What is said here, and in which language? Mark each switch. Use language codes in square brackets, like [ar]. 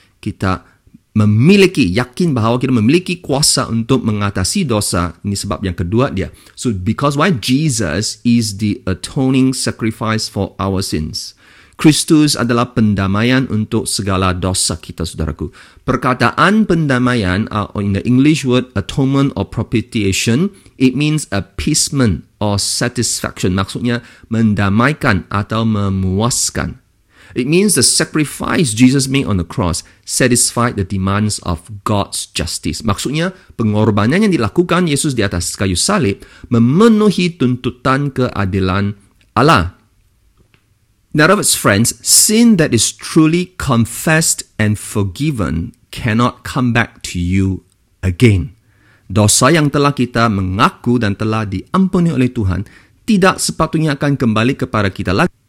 [ms] Kita memiliki, yakin bahwa kita memiliki kuasa untuk mengatasi dosa. Ini sebab yang kedua dia. [en] So, because why? Jesus is the atoning sacrifice for our sins. [ms] Kristus adalah pendamaian untuk segala dosa kita, saudaraku. Perkataan pendamaian, [en] or in the English word atonement or propitiation, it means appeasement or satisfaction. [ms] Maksudnya, mendamaikan atau memuaskan. [en] It means the sacrifice Jesus made on the cross satisfied the demands of God's justice. [ms] Maksudnya, pengorbanan yang dilakukan Yesus di atas kayu salib memenuhi tuntutan keadilan Allah. [en] In other words, friends, sin that is truly confessed and forgiven cannot come back to you again. [ms] Dosa yang telah kita mengaku dan telah diampuni oleh Tuhan tidak sepatutnya akan kembali kepada kita lagi.